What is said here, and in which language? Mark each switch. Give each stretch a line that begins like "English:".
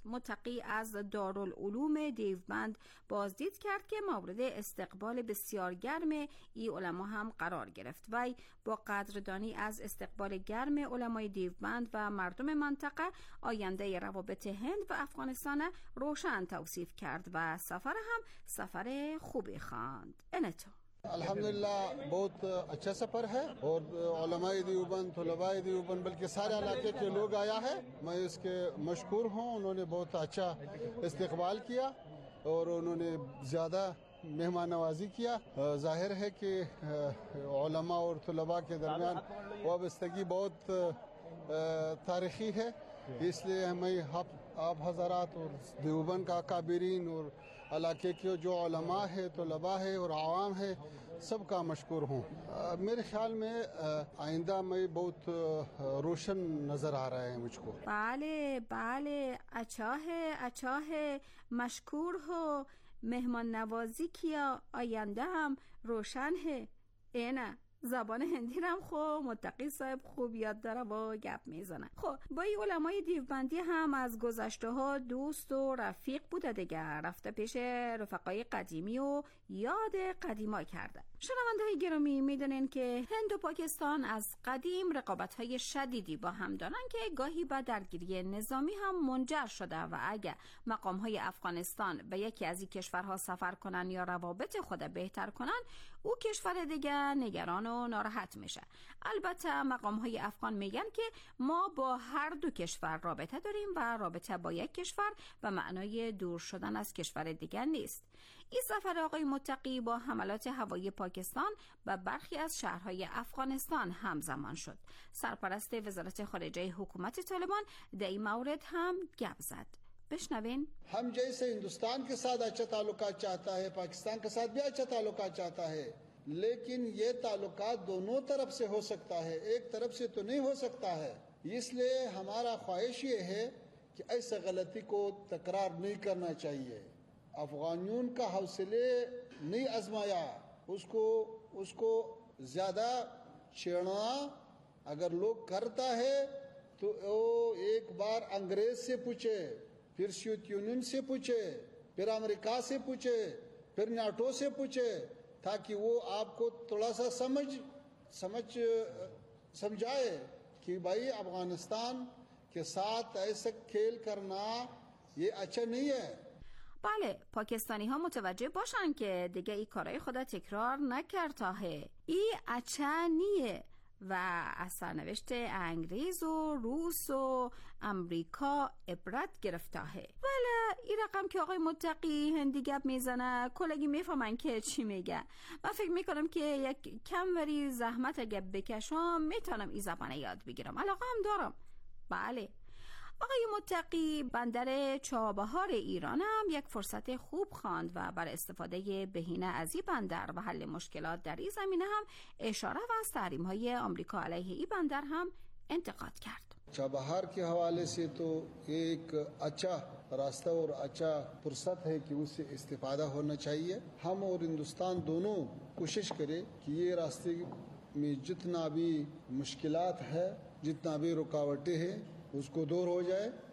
Persian: متقی از دارالعلوم دیوبند بازدید کرد که مورد استقبال بسیار گرم این علما هم قرار گرفت و با قدردانی از استقبال گرم علمای دیوبند و مردم منطقه آینده روابط هند و افغانستان روشن توصیف کرد و سفر هم سفر خوبی خواند. انتو
Urdu: الحمدللہ بہت اچھا سفر ہے اور علماء دیوبند طلباء دیوبند بلکہ سارے علاقے کے لوگ آیا ہے میں اس کے مشکور ہوں انہوں نے بہت اچھا استقبال کیا اور انہوں نے زیادہ مہمان نوازی کیا ظاہر ہے کہ علماء اور طلباء کے درمیان وابستگی بہت تاریخی ہے اس لیے ہمیں آپ حضرات اور دیوبند کا کابرین اور علاقے کے جو علماء ہے طلباء ہے اور عوام ہے سب کا مشکور ہوں میرے خیال میں آئندہ میں بہت روشن نظر آ رہا ہے مجھ کو بالے بالے اچھا ہے مشکور ہو مہمان نوازی کیا آئندہ ہم روشن ہے
Persian: اے نا زبان هندی هم خب متقی صاحب خوب یاد داره و گپ میزنه. خب با این علمای دیوبندی هم از گذشته ها دوست و رفیق بوده، دیگه رفته پیش رفقای قدیمی و یاد قدیما کرده. شنونده های گرامی میدونین که هند و پاکستان از قدیم رقابت های شدیدی با هم دارن که گاهی به درگیری نظامی هم منجر شده و اگه مقام های افغانستان به یکی از این کشورها سفر کنن یا روابط خود بهتر کنن او کشور دیگه نگران و ناراحت میشه. البته مقام های افغان میگن که ما با هر دو کشور رابطه داریم و رابطه با یک کشور به معنای دور شدن از کشور دیگه نیست. این سفر آقای متقی با حملات هوایی پاکستان و برخی از شهرهای افغانستان همزمان شد. سرپرست وزارت خارجه حکومت طالبان در این مورد هم گپ زد. بشنوین.
Urdu: هم جیسے هندوستان کے ساتھ اچھا تعلقات چاہتا ہے، پاکستان کے ساتھ بھی اچھا تعلقات چاہتا ہے، لیکن یہ تعلقات دونوں طرف سے ہو سکتا ہے، ایک طرف سے تو نہیں ہو سکتا ہے. اس لیے ہمارا خواہش یہ ہے کہ ایسا غلطی کو تکرار نہیں کرنا چاہیے. افغانیوں کا حوصلے نی ازمایا اس کو زیادہ چھیڑنا اگر لوگ کرتا ہے تو وہ ایک بار انگریز سے پوچھے پھر سوویت یونین سے پوچھے پھر امریکہ سے پوچھے پھر ناٹو سے پوچھے تاکہ وہ آپ کو تھوڑا سا سمجھائے کہ بھائی افغانستان کے ساتھ ایسے کھیل کرنا یہ اچھا نہیں ہے.
Persian: بله، پاکستانی ها متوجه باشن که دیگه ای کارای خودا تکرار نکرتاه. ای اچه نیه و از سرنوشت انگریز و روس و امریکا عبرت گرفتاه. بله، ای رقم که آقای متقی هندی گپ میزنه کلگی میفهمن که چی میگه. من فکر میکنم که یک کم وری زحمت اگه بکشم میتونم ای زبانه یاد بگیرم، علاقه هم دارم. بله آقای متقی، بندر چابهار ایران هم یک فرصت خوب خواند و برای استفاده بهینه از این بندر و حل مشکلات در این زمینه هم اشاره و از تحریم های آمریکا علیه این بندر هم انتقاد کرد.
Urdu: چابهار کی حوالے سے تو ایک اچھا راستہ اور اچھا فرصت ہے کہ اسے استفادہ ہونا چاہیے. ہم اور ہندوستان دونوں کوشش کریں کہ یہ راستے میں جتنا بھی مشکلات ہے، جتنا بھی رکاوٹیں ہیں، اس کو دور ہو جائے.